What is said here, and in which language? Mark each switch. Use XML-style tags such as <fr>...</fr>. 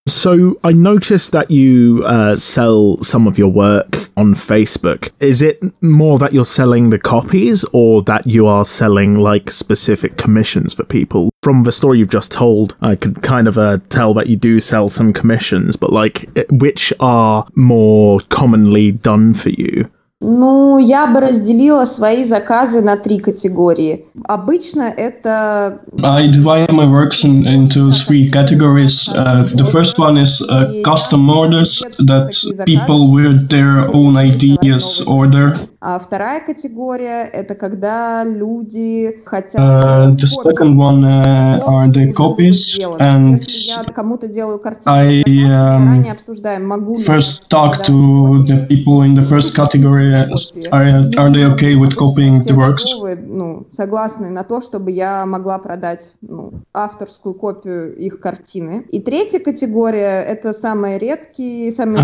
<en>So I noticed that you sell some of your work on Facebook. Is it more that you're selling the copies or that you are selling like specific commissions for people? From the story you've just told, I could kind of tell that you do sell some commissions, but like which are more commonly done for you?</en> <ru>Ну, я бы разделила свои заказы на три категории. Обычно это...</ru> <en>I divide my works into three categories. The first one is custom orders that people with their own ideas order.</en> <ru>А вторая категория – это когда люди хотят...</ru> <en>The second one are the copies, and I first talk to the people in the first category, are they okay with copying the works?</en> <ru>Ну, согласны на то, чтобы я могла продать, ну, авторскую копию их картины. И третья категория – это самые редкие, самые...</ru>